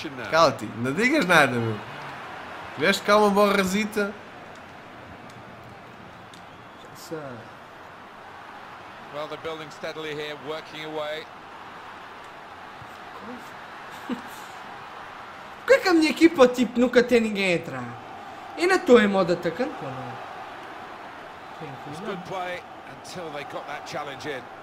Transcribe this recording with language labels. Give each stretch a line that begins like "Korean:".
Portuguese: Cala-te, não digas nada, meu. Tiveste cá uma borrasita. Já sei.
English: Well, they're building steadily here, working away.
Portuguese: Porquê que a minha equipa, tipo, nunca tem ninguém a entrar? Ainda estou em modo atacante, ou não?
English: Good play until they got that challenge in.